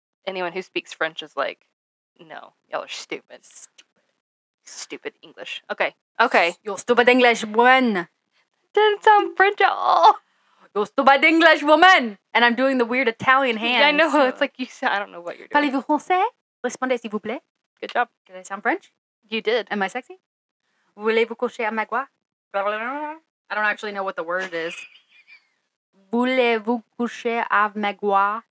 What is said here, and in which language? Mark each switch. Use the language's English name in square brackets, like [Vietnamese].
[English] Anyone who speaks French is like, no, y'all are stupid. Stupid English. Okay. Your stupid English woman. Didn't sound French at all. Your stupid English woman. And I'm doing the weird Italian hands. Yeah, I know. So. It's like you sound... I don't know what you're doing. [French] Parlez-vous français? Respondez, s'il vous plaît. [English] Good job. Did I sound French? You did. Am I sexy? [French] Voulez-vous coucher à ma gloire? [English] I don't actually know what the word is. [French] Voulez-vous coucher avec moi?